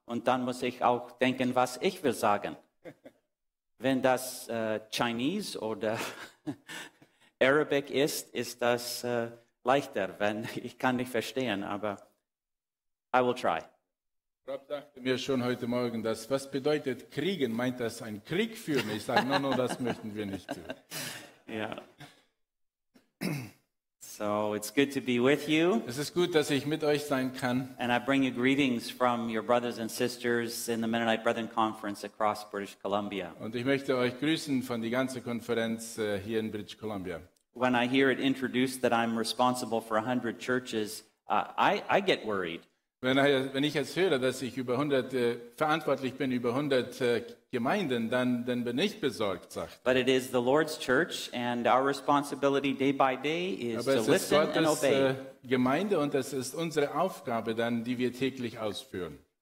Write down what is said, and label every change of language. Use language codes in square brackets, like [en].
[de] Und dann muss ich auch denken, was ich will sagen. Wenn das Chinese oder Arabic ist, ist das leichter, wenn ich kann nicht verstehen, aber [en] I will try. [de] Rob sagte mir schon heute Morgen, dass was bedeutet kriegen? Meint das einen Krieg führen? Ich sage, no, das möchten wir nicht tun. Ja. [en] So, it's good to be with you. [de] Es ist gut, dass ich mit euch sein kann. [en] And I bring you greetings from your brothers and sisters in the Mennonite Brethren Conference across British Columbia. [de] Und ich möchte euch grüßen von der ganzen Konferenz hier in British Columbia. [en] When I hear it introduced that I'm responsible for 100 churches, I get worried. [de] Wenn ich jetzt höre, dass ich über 100 verantwortlich bin über 100 Gemeinden, dann bin ich besorgt, sagt. [en] But it is the Lord's church and our responsibility day by day is to listen [de] Gottes [en] and obey. [de] Aber es ist Gottes Gemeinde und es ist unsere Aufgabe, dann die wir täglich ausführen.